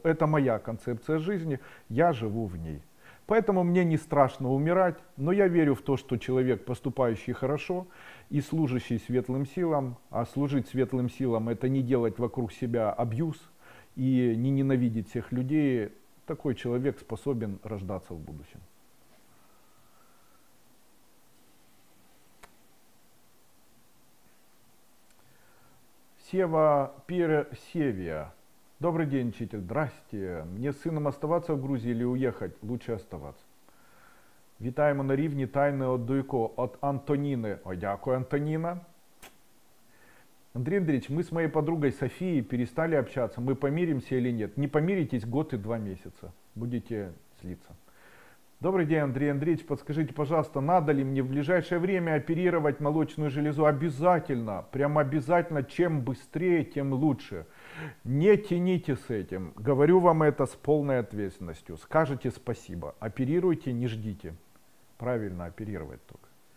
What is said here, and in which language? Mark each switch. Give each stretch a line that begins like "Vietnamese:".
Russian: Это моя концепция жизни, я живу в ней. Поэтому мне не страшно умирать, но я верю в то, что человек, поступающий хорошо и служащий светлым силам, а служить светлым силам – это не делать вокруг себя абьюз и не ненавидеть всех людей, такой человек способен рождаться в будущем. Сева Персевия. Добрый день, учитель. Здрасте. Мне с сыном оставаться в Грузии или уехать? Лучше оставаться.
Ukrainian: Вітаємо на рівні тайни от Дуйко, от Антоніни. О, дякую, Антоніна. Андрій Андрійович, ми з моєю подругою Софією перестали общатися. Ми помиримося чи ні? Не помиритесь год і два місяці. Будете злитися.
Russian: Добрый день, Андрей Андреевич, подскажите, пожалуйста, надо ли мне в ближайшее время оперировать молочную железу? Обязательно, прям обязательно, чем быстрее, тем лучше. Не тяните с этим, говорю вам это с полной ответственностью. Скажите спасибо, оперируйте, не ждите. Правильно, оперировать только.